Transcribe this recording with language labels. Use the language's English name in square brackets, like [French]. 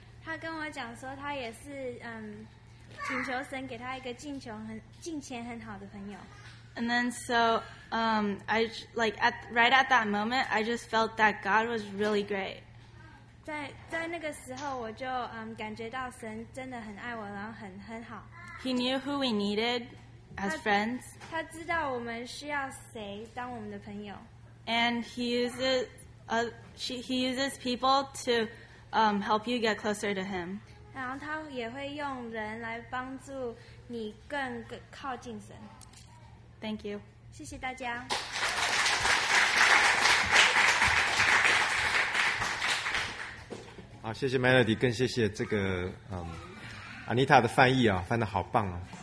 [Chinese] 她跟我讲说她也是请求神给她一个敬虔很好的朋友。 [English] And then so right at that moment, I just felt that God was really great. [Chinese] 在那个时候我就感觉到神真的很爱我，然后很好。 [English] He knew who we needed as friends. [Chinese] 他知道我们需要谁当我们的朋友。 [English] And he uses people to help you get closer to him. [Chinese] 然后他也会用人来帮助你更靠近神。 [English] Thank you. [Chinese] 谢谢大家。好，谢谢 Melody， 更谢谢这个Anita 的翻译啊，翻得好棒啊。